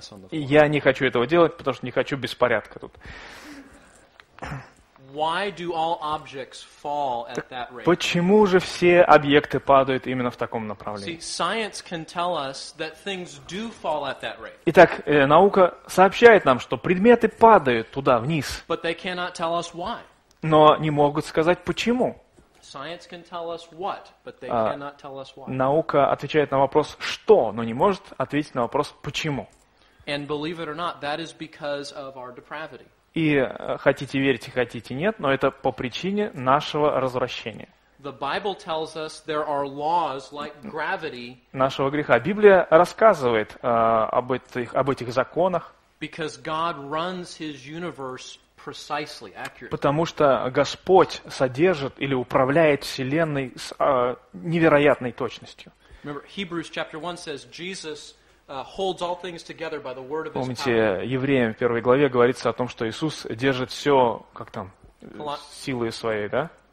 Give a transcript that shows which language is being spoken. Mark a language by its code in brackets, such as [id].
[ru] Я не хочу этого делать, потому что не хочу беспорядка тут. [en] Why do all objects fall at that rate? [ru] Почему же все объекты падают именно в таком направлении? [en] See, science can tell us that things do fall at that rate. [ru] Итак, наука сообщает нам, что предметы падают туда, вниз. [en] But they cannot tell us why. [ru] Но не могут сказать почему. [en] Science can tell us what, but they cannot tell us why. [ru] Наука отвечает на вопрос что, но не может ответить на вопрос почему. [en] And believe it or not, that is because of our depravity. [ru] И хотите верьте, хотите нет, но это по причине нашего развращения. [en] The Bible tells us there are laws like gravity. [ru] Нашего греха. Библия рассказывает об этих законах. [en] Because God runs His universe precisely, accurately. [ru] Потому что Господь содержит или управляет вселенной с невероятной точностью. [en] Remember, Hebrews chapter 1 says Jesus holds all things together by the word of his [ru] Помните, Евреям в первой главе говорится о том, что Иисус держит все, как там, силой своей, да?